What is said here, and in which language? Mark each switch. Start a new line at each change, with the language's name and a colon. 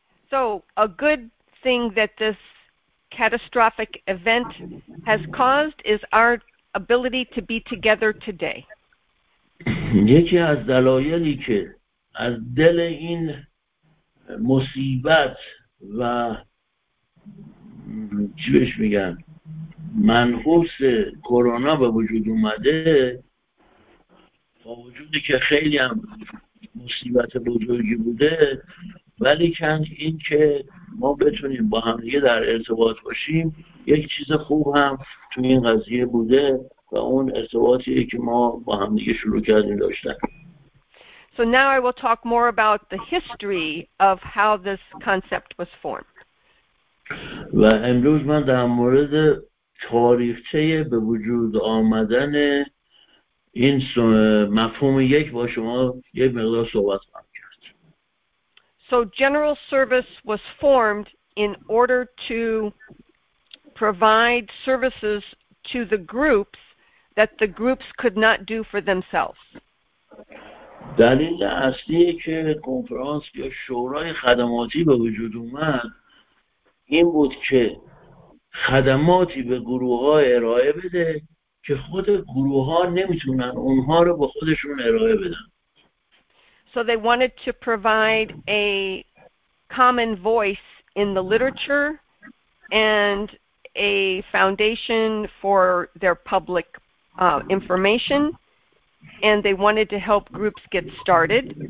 English: So a good thing that this catastrophic event has caused is our ability to be together today.
Persian: یکی از دلایلی که از دل این مصیبت و چی بهش میگن منحوس کرونا به وجود اومده، با وجودی که خیلی هم مصیبت بزرگی بوده، ولی که این که ما بتونیم با هم دیگه در ارتباط باشیم یک چیز خوب هم تو این قضیه بوده و اون ارتباطیه که ما با هم دیگه شروع کردیم داشتن.
English: So now I will talk more about the history of how this concept was formed.
Persian: و امروز من در مورد تاریخچه به وجود آمدن این مفهوم یک با شما یک مقدار صحبت کنم.
English: So General Service was formed in order to provide services to the groups that the groups could not do for themselves.
Persian: دلیل اصلی که کنفرانس یا شورای خدماتی به وجود اومد این بود که خدماتی به گروه ها ارائه بده که خود گروه ها نمیتونن اونها رو به خودشون ارائه بدن.
English: So they wanted to provide a common voice in the literature and a foundation for their public information, and they wanted to help groups get started.